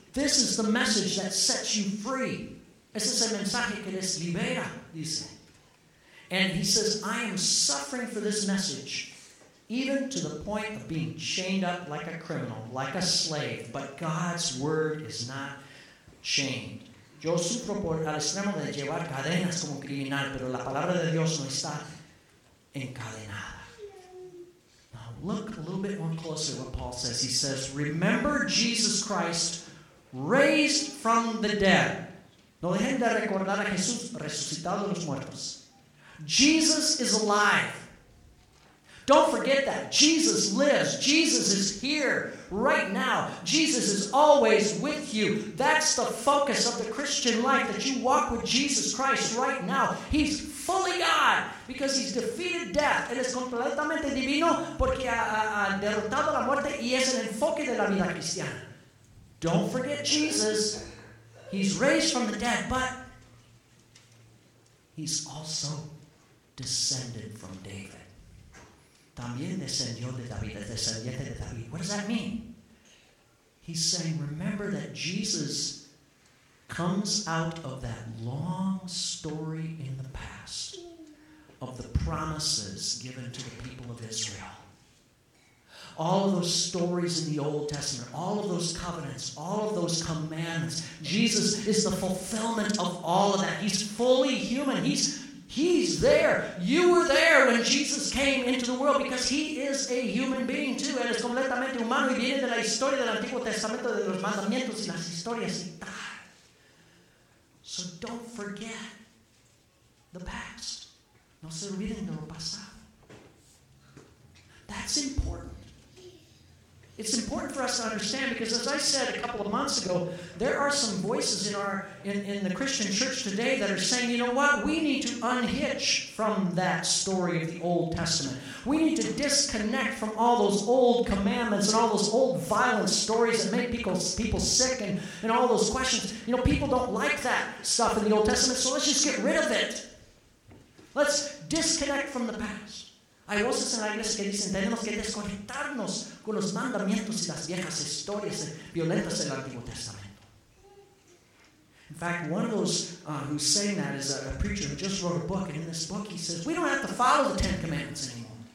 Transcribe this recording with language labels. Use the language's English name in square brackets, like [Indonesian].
[English] This is the message that sets you free. [Spanish] Ese es el mensaje que les libera, dice. [English] And he says, I am suffering for this message, even to the point of being chained up like a criminal, like a slave, but God's word is not chained. [Spanish] Yo sufro por el extremo de llevar cadenas como criminal, pero la palabra de Dios no está encadenada. [English] Now look a little bit more closely at what Paul says. He says, remember Jesus Christ raised from the dead. [Spanish] No dejen de recordar a Jesús resucitado de los muertos. [English] Jesus is alive. Don't forget that. Jesus lives. Jesus is here right now. Jesus is always with you. That's the focus of the Christian life, that you walk with Jesus Christ right now. He's fully God because he's defeated death. [Spanish] Él es completamente divino porque ha derrotado la muerte y es el enfoque de la vida cristiana. [English] Don't forget Jesus. He's raised from the dead, but he's also descended from David. También descendió de David, es descendiente de David. What does that mean? He's saying, remember that Jesus comes out of that long story in the past of the promises given to the people of Israel. All of those stories in the Old Testament, all of those covenants, all of those commandments, Jesus is the fulfillment of all of that. He's fully human. He's there. You were there when Jesus came into the world because he is a human being too. [Spanish] Él es completamente humano y viene de la historia del Antiguo Testamento, de los mandamientos y las historias. [English] So don't forget the past. [Spanish] No se olviden de lo pasado. [English] That's important. It's important for us to understand because, as I said a couple of months ago, there are some voices in the Christian church today that are saying, you know what, we need to unhitch from that story of the Old Testament. We need to disconnect from all those old commandments and all those old violent stories that make people sick and all those questions. You know, people don't like that stuff in the Old Testament, so let's just get rid of it. Let's disconnect from the past. [Spanish] Hay voces en la iglesia que dicen, tenemos que desconectarnos con los mandamientos y las viejas historias violentas del Antiguo Testamento. [English] In fact, one of those who's saying that is a preacher who just wrote a book, and in this book he says, we don't have to follow the Ten Commandments anymore.